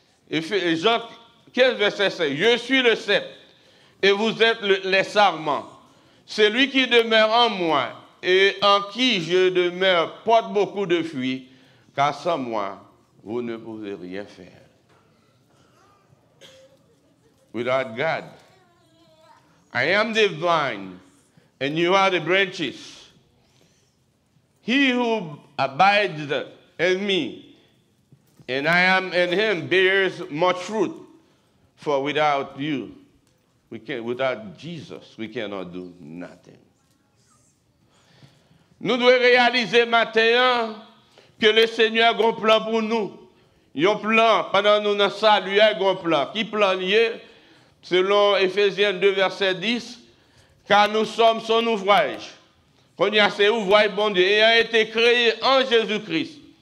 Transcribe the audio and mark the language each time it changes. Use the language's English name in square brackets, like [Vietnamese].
[French] Jean 15, verset 5, « Je suis le cep, et vous êtes les sarments. Celui qui demeure en moi, et en qui je demeure, porte beaucoup de fruits, car sans moi, vous ne pouvez rien faire. [English] Without God, I am the vine, and you are the branches. He who abides in me, and I am in him, bears much fruit. For without you, without Jesus, we cannot do nothing. [French] Nous devons réaliser maintenant que le Seigneur a un plan pour nous. Il y a un plan, pendant nous nous saluons, il y a un plan. Qui plan lié? Selon Éphésiens 2, verset 10, car nous sommes son ouvrage. Qu'on y a ses ouvrages, bon Dieu, et a été créé en Jésus-Christ.